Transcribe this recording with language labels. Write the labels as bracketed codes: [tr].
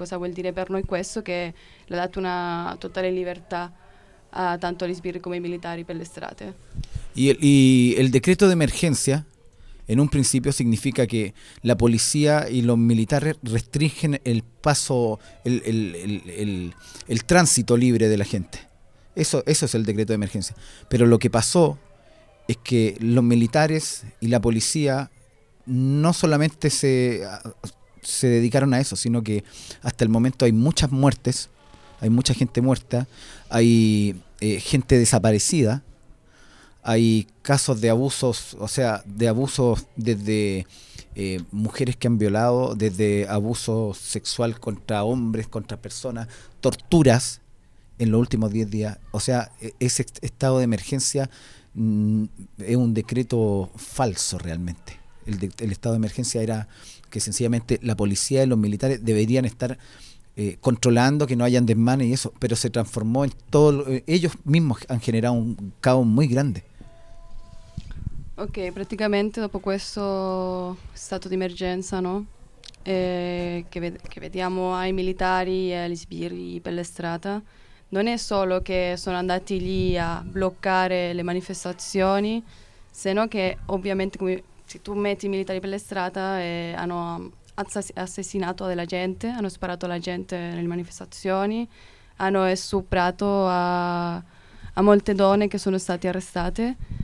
[it] Cosa vuol dire per noi questo? Che l'ha dato una totale libertà a tanto gli sbirri come i militari per le strade. Il decreto d'emergenza in un principio significa che la polizia e i militari restringono il passo, il transito libero della gente. [es] Eso es el decreto de emergencia. Pero lo que pasó es que los militares y la policía no solamente se dedicaron a eso, sino que hasta el momento hay muchas muertes, hay mucha gente muerta, hay gente desaparecida, hay casos de abusos, o sea, de abusos desde mujeres que han violado, desde abuso sexual contra hombres, contra personas, torturas en los últimos 10 días. O sea, ese estado de emergencia es un decreto falso realmente. El estado de emergencia era que sencillamente la policía y los militares deberían estar controlando que no hayan desmanes y eso, pero se transformó en todo. Ellos mismos han generado un caos muy grande. Ok, prácticamente [it] dopo questo stato di emergenza, no? Che vediamo ai militari e agli sbirri per la strada, non è solo che sono andati lì a bloccare le manifestazioni, se no che ovviamente se tu metti i militari per la strada hanno assassinato della gente, hanno sparato alla gente nelle manifestazioni, hanno stuprato a molte donne che sono state arrestate.